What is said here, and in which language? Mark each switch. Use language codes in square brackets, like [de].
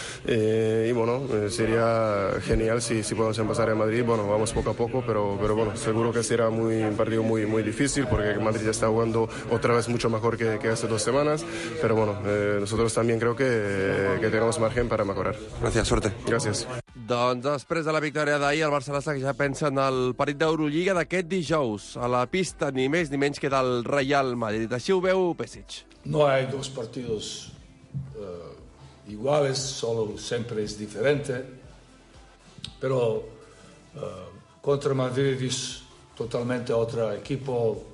[es] Y bueno, sería genial si podemos empezar en Madrid. Bueno, vamos poco a poco, pero bueno, seguro que será un partido muy, muy difícil porque Madrid ya está jugando otra vez mucho mejor que hace dos semanas, pero bueno, nosotros también creo que tenemos margen para mejorar. Gracias, suerte. Gracias. [ca] Doncs després de la victòria d'ahir, el Barcelona ja pensa en el partit d'Eurolliga d'aquest dijous, a la pista ni més ni menys que del Real Madrid. Així ho veu Pesic. [es] No hay dos partidos iguales, solo siempre es diferente, pero contra Madrid es totalmente otro equipo.